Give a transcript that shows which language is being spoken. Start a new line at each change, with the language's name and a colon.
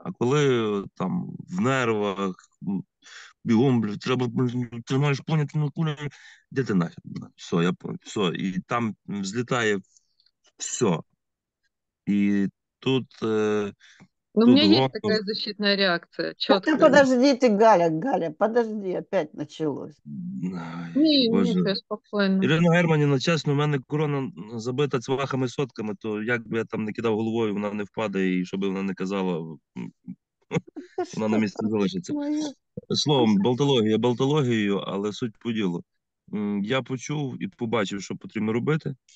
Ukrainian: А коли там в нервах, бігом, треба, тримаєш планету на кулі, де ти нафіг? Все, і там злітає все. І тут... Ну, в мене є така защитна реакція, чітко.
Russian: Ти подожди, ти, Галя, подожди, опять началось.
Ukrainian: Ні, все спокійно. Ірина Германівна, чесно, у мене корона забита цвахами сотками, то як би я там не кидав головою, вона не впадає, і щоб вона не казала, вона на місці залишиться. Словом, болтологією, але суть по ділу. Я почув і побачив, що потрібно робити.